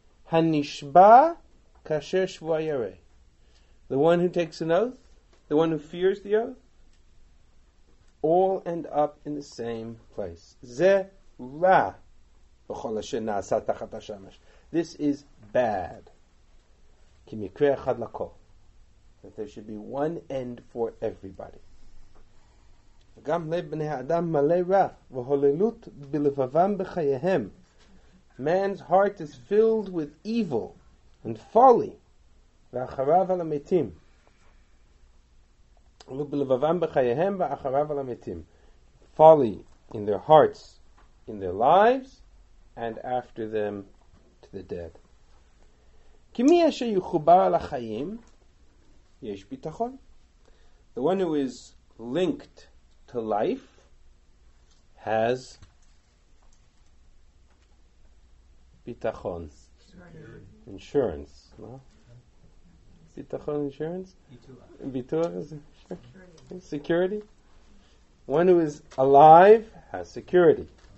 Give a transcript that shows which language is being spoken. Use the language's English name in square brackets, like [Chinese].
[Hebrew] Hanishba kasher shvua yare, [English] the one who takes an oath, the one who fears the oath, all end up in the same place. [Hebrew] Ze ra b'chol asher na'asa tachat hashamash. [English] This is bad. [Hebrew] Ki mikre echad lakol. [English] That there should be one end for everybody. [Hebrew] גם לב בני האדם מלא רע והוללות בלבבם בחייהם. [English] Man's heart is filled with evil and folly. [Hebrew] ואחריו על המתים. ובלבבם בחייהם ואחריו על המתים. [English] Folly in their hearts, in their lives, and after them to the dead. [Hebrew] כי מי אשר יחובר על החיים, יש ביטחון. [English] The one who is linked to life has bitachon, insurance. No? Bitachon insurance? Bitur is security. One who is alive has security.